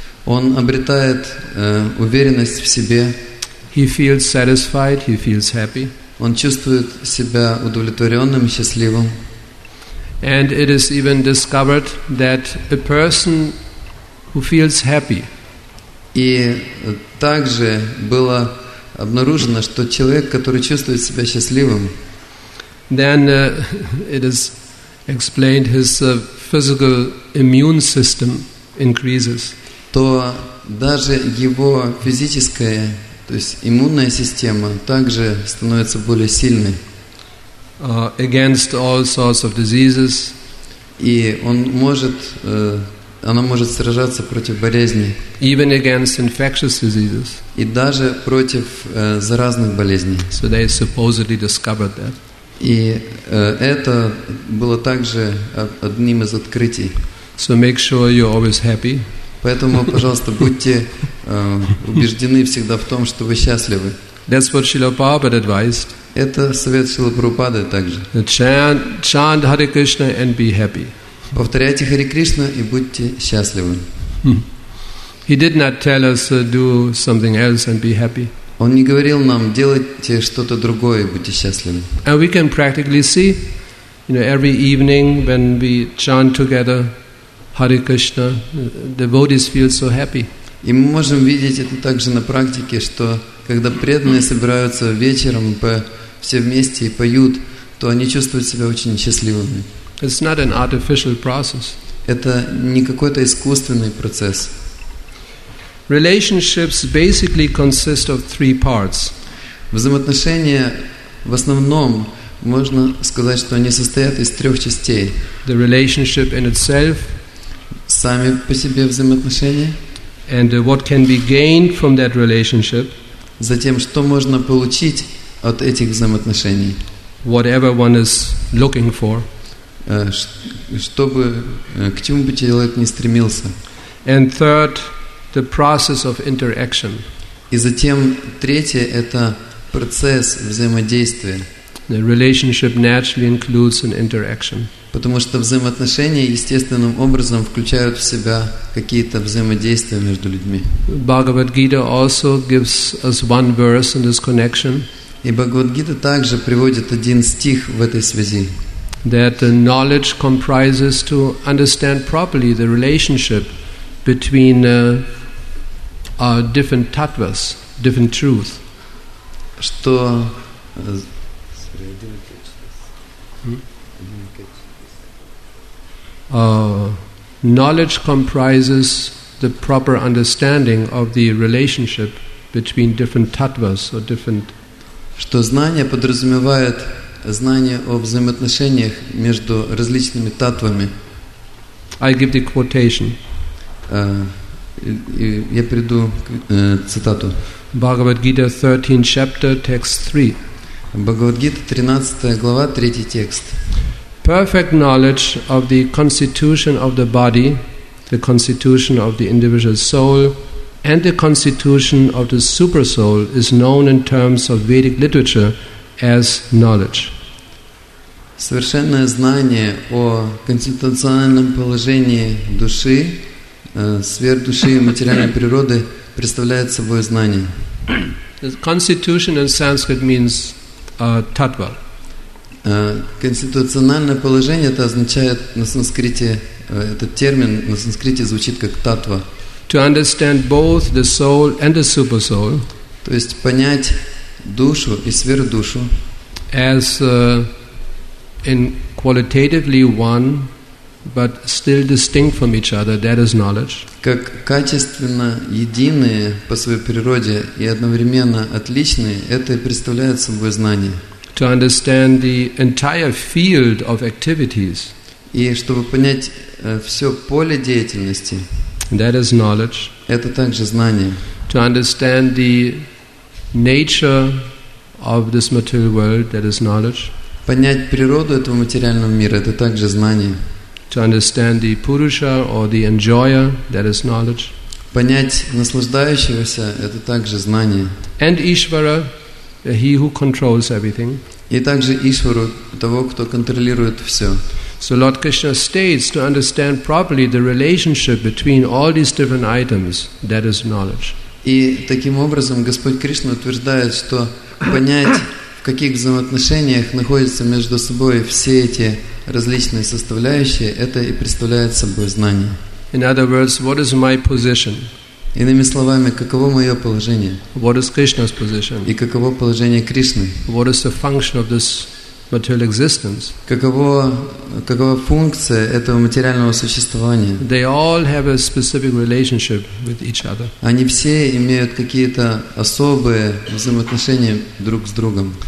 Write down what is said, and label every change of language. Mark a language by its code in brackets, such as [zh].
[ru] Он обретает уверенность в себе. [en] He feels satisfied. He feels happy. [ru] Он чувствует себя удовлетворенным, счастливым. [en] And it is even discovered that a person who feels happy. [ru] И также было обнаружено, что человек, который чувствует себя счастливым, [en] then it is explained his physical immune system increases. [ru] То даже его физическая, то есть иммунная система, также становится более сильной. [en] Against all sorts of diseases. [ru] И он может, она может сражаться против болезней. [en] Even against infectious diseases. [ru] И даже против заразных болезней. [en] So they supposedly discovered that. [ru] И это было также одним из открытий. [en] So make sure you're always happy. [ru] Поэтому, пожалуйста, будьте убеждены всегда в том, что вы счастливы. [en] That's what Srila Prabhupada advised. [ru] Это совет Шрилы Прабхупады также. [en] Chant Hare Krishna and be happy. [ru] Повторяйте Харе Кришна и будьте счастливы. [en] He did not tell us to do something else and be happy. [ru] Он не говорил нам делайте что-то другое и будьте счастливы. [en] And we can practically see, you know, every evening when we chant together Hare Krishna, the devotees feel so happy. [ru] И мы можем видеть это также на практике, что когда преданные собираются вечером все вместе и поют, то они чувствуют себя очень счастливыми. [en] It's not an artificial process. [ru] Это не какой-то искусственный процесс. [en] Relationships basically consist of three parts. [ru] Взаимоотношения в основном можно сказать, что они состоят из трех частей. [en] The relationship in itself. [ru] Сами по себе взаимоотношения. [en] And what can be gained from that relationship? [ru] Затем, что можно получить от этих взаимоотношений. [en] Whatever one is looking for. [ru] Чтобы, к чему бы человек ни стремился. [en] And third, the process of interaction. [ru] И затем третье – это процесс взаимодействия. [en] The relationship naturally includes an interaction. [ru] Потому что взаимоотношения естественным образом включают в себя какие-то взаимодействия между людьми. [en] Bhagavad Gita also gives us one verse in this connection. [ru] И Бхагавад Гита также приводит один стих в этой связи. [en] That the knowledge comprises to understand properly the relationship between different tattvas, different truth. [ru] Что [en] Knowledge comprises the proper understanding of the relationship between different tattvas or different. [ru] Что знание подразумевает знание о взаимоотношениях между различными таттвами. [en] I give the quotation. [ru] Я приду к цитату. [en] Bhagavad Gita 13 chapter text 3. [ru] Bhagavad Gita 13 глава 3 текст. [en] Perfect knowledge of the constitution of the body, the constitution of the individual soul, and the constitution of the super soul is known in terms of Vedic literature as knowledge. [ru] Совершенное знание о конституциональном положении души, сверхдуши и материальной природы представляет собой знание. [en] The constitution in Sanskrit means tattva. [ru] Конституциональное положение это означает на санскрите этот термин на санскрите звучит как таттва. [en] To understand both the soul and the super soul. [ru] То есть понять душу и сверхдушу. [en] As in qualitatively one, but still distinct from each other, that is knowledge. [ru] Как качественно единые по своей природе и одновременно отличные, это и представляет собой знание. [en] To understand the entire field of activities. [ru] И чтобы понять все поле деятельности. [en] That is knowledge. [ru] Это также знание. [en] To understand the nature of this material world, that is knowledge. [ru] Понять природу этого материального мира, это также знание. [en] To understand the Purusha or the enjoyer, that is knowledge. [ru] Понять наслаждающегося, это также знание. [en] And Ishvara, he who controls everything. [ru] И также Ишвару, того, кто контролирует все. [en] So Lord Krishna states to understand properly the relationship between all these different items, that is knowledge. [ru] И таким образом Господь Кришна утверждает, что понять, в каких взаимоотношениях находятся между собой все эти различные составляющие, это и представляет собой знание. [en] In other words, what is my position? [ru] Иными словами, каково мое положение? [en] What is Krishna's position? [ru] И каково положение Кришны? [en] What is the function of this material existence? [ru] Какова функция этого материального существования? [en] They all have a specific relationship with each other. [ru] Они все имеют какие-то особые взаимоотношения друг с другом.